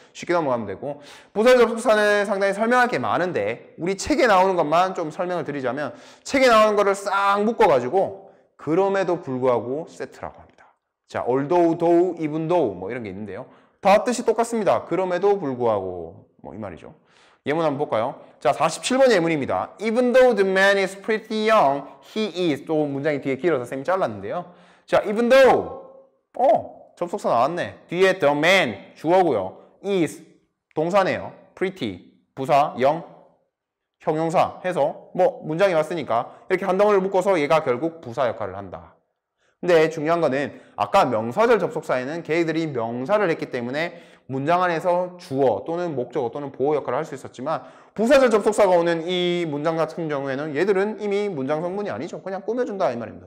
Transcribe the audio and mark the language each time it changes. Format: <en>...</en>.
<ko>쉽게 넘어가면 되고 부사절 접속사는 상당히 설명할 게 많은데 우리 책에 나오는 것만 좀 설명을 드리자면 책에 나오는 거를 싹 묶어가지고 그럼에도 불구하고 세트라고 합니다. 자, although, though, even though 뭐 이런 게 있는데요. 다 뜻이 똑같습니다. 그럼에도 불구하고 뭐 이 말이죠. 예문 한번 볼까요? 자, 47번 예문입니다.</ko> <en>Even though the man is pretty young, he is</en> <ko>또 문장이 뒤에 길어서 쌤이 잘랐는데요. 자, even though 접속사 나왔네. 뒤에 the man 주어고요. is 동사네요. pretty 부사 young 형용사 해서 뭐 문장이 왔으니까 이렇게 한 덩어리를 묶어서 얘가 결국 부사 역할을 한다. 근데 중요한 거는 아까 명사절 접속사에는 걔들이 명사를 했기 때문에 문장 안에서 주어 또는 목적어 또는 보호 역할을 할 수 있었지만 부사절 접속사가 오는 이 문장 같은 경우에는 얘들은 이미 문장 성분이 아니죠. 그냥 꾸며준다 이 말입니다.</ko>